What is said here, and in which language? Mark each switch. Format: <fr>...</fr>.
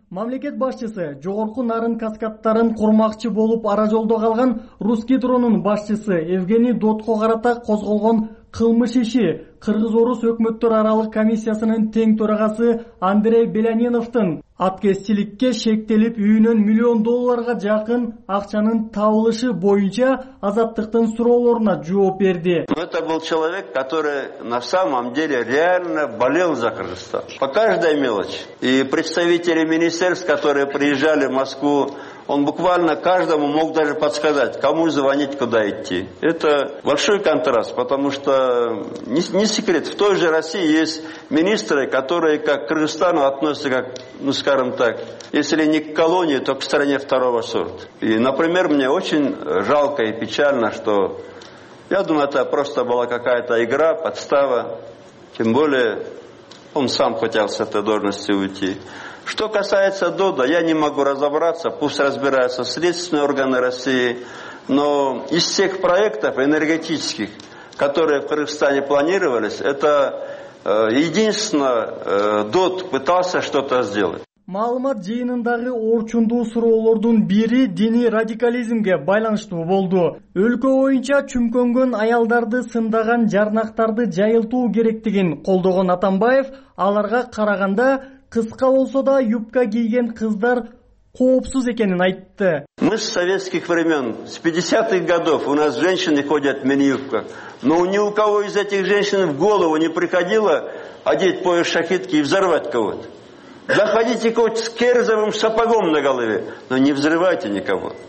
<ky>Мамлекет башчысы жогорку нарын каскадтарын курмакчы болуп ара жолдо калган Русгидронун башчысы Евгений Дотко карата козголгон кылмыш иши Кыргыз-Орус өкмөттөр аралык комиссиясынын тең төрагасы Андрей Беляниновдун аткезчиликке шектелип үйүнөн миллион долларга жакын акчанын табылышы боюнча азаттыктын суроолоруна жооп берди.</ky> <ru>Это был человек, который на самом деле реально болел за Кыргызстан. По каждой мелочи. И представители министерств, которые приезжали в Москву, он буквально каждому мог даже подсказать, кому звонить, куда идти. Это большой контраст, потому что не секрет, в той же России есть министры, которые как к Кыргызстану относятся, как, ну скажем так, если не к колонии, то к стране второго сорта. И, например, мне очень жалко и печально, что я думаю, это просто была какая-то игра, подстава, тем более он сам хотел с этой должности уйти. Что касается ДОДа, я не могу разобраться, пусть разбираются следственные органы России, но из всех проектов энергетических, которые в Кыргызстане планировались, это единственное, ДОД пытался что-то сделать.</ru> <ky>Маалымат жыйынындагы орчундуу суроолордун бири диний радикализмге байланыштуу болду. Өлкө боюнча чүмкөнгөн аялдарды сындаган жарнактарды жайылтуу керектигин колдогон Атамбаев, аларга караганда кыска болсо да юбка кийген кыздар коопсуз экенин айтты.</ky> <ru>Мы с советских времен, с 50-х годов у нас женщины ходят в мини-юбках. Но ни у кого из этих женщин в голову не приходило одеть пояс шахидки и взорвать кого-то. Заходите хоть с кирзовым сапогом на голове, но не взрывайте никого.</ru>